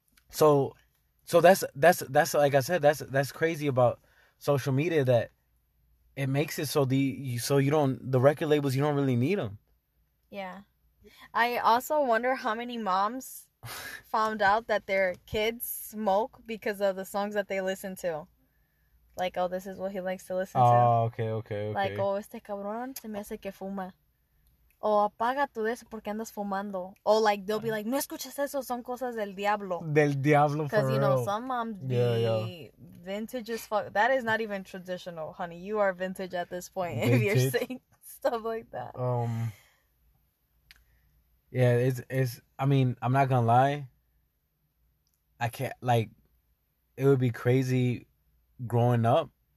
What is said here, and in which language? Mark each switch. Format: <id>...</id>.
<en>So that's like I said, that's crazy about social media, that it makes it so the record labels, you don't really need them. Yeah. I also wonder how many moms found out that their kids smoke because of the songs that they listen to. Like, oh, this is what he likes to listen to. Oh, okay.</en> <es>Like, oh, este cabrón se me hace que fuma. Oh, apaga tu de eso porque andas fumando.</es> <en>Oh, like, they'll be like,</en> <es>no escuchas eso, son cosas del diablo. Del diablo, for</es> <en>real. Because, you know, some moms be vintage as fuck. That is not even traditional, honey. You are vintage at this point if you're saying stuff like that. Yeah, it's, I mean, I'm not gonna lie. I can't, like, it would be crazy growing up</en>